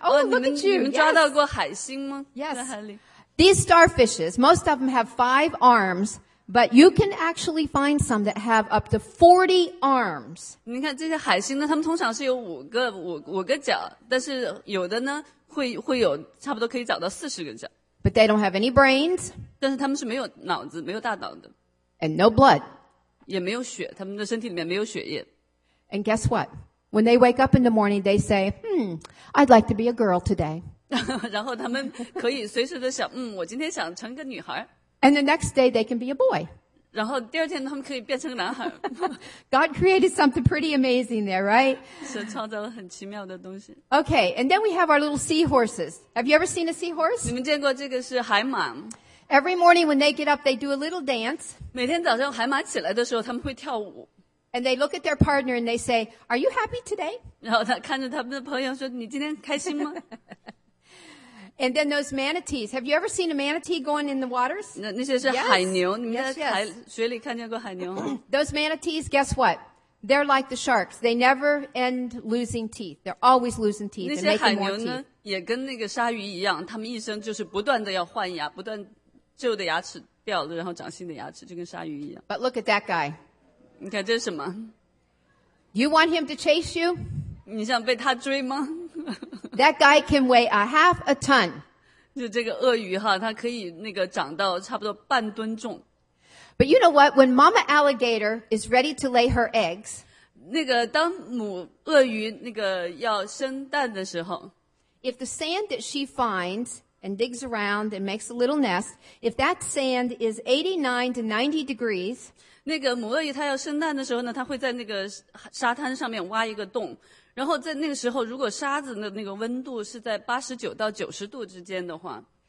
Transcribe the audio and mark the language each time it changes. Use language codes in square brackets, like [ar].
[en] Oh, look at you. [zh] 你们抓到过海星吗？ [en] Yes. These starfishes, most of them have 5 arms,But you can actually find some that have up to 40 arms. [zh] 你看这些海星呢，它们通常是有五个脚，但是有的呢会有差不多可以找到40个脚。 [en] But they don't have any brains. [zh] 但是它们是没有脑子，没有大脑的。 [en] And no blood. [zh] 也没有血，它们的身体里面没有血液。 [en] And guess what? When they wake up in the morning, they say, I'd like to be a girl today. [zh] 然后它们可以随时的想，我今天想成个女孩。 [en] And the next day, they can be a boy. [zh] 然后第二天他们可以变成男孩。 [en] God created something pretty amazing there, right? [zh] 是创造了很奇妙的东西。 [en] Okay, and then we have our little seahorses. Have you ever seen a seahorse? [zh] 你们见过这个是海马。 [en] Every morning when they get up, they do a little dance. [zh] 每天早上海马起来的时候，他们会跳舞。 [en] And they look at their partner and they say, are you happy today? [zh] 然后他看着他们的朋友说，你今天开心吗？ [en] And then those manatees. Have you ever seen a manatee going in the waters? [zh] 那些是海牛，你们在水里看见过海牛？ [en] Those manatees, guess what? They're like the sharks. They never end losing teeth. They're always losing teeth. [zh] 那些海牛呢，也跟那个鲨鱼一样，他们一生就是不断的要换牙，不断旧的牙齿掉了，然后长新的牙齿，就跟鲨鱼一样。 [en] But look at that guy. [zh] 你看这是什么？ [en] You want him to chase you? [zh] 你想被他追吗？ [en] That guy can weigh a half a ton. [zh] 就这个鳄鱼哈，它可以那个长到差不多半吨重。 [en] But you know what? When mama alligator is ready to lay her eggs, [zh] 那个当母鳄鱼那个要生蛋的时候 [en] ，if the sand that she finds and digs around and makes a little nest, if that sand is 89 to 90 degrees, [zh] 那个母鳄鱼它要生蛋的时候呢，它会在那个沙滩上面挖一个洞。然后在那个时候，如果沙子的那个温度是在89到90度之间的话